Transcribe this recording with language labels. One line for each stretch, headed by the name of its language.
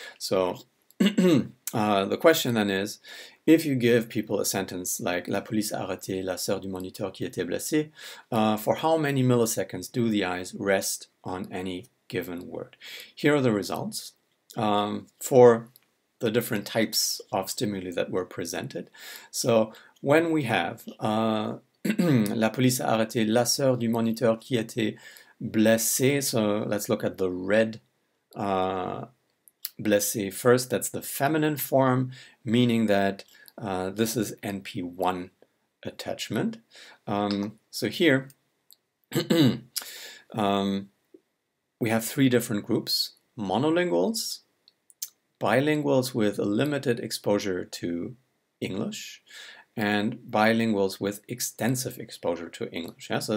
English: So the question then is, if you give people a sentence like
French: la police a arrêté la sœur du moniteur qui était blessée,
English: for how many milliseconds do the eyes rest on any given word? Here are the results. For the different types of stimuli that were presented. So when we have
French: la police a arrêté la sœur du moniteur qui était blessée.
English: So let's look at the red blessé first. That's the feminine form, meaning that this is NP1 attachment. So here we have three different groups: monolinguals, bilinguals with a limited exposure to English, and bilinguals with extensive exposure to English. Yeah?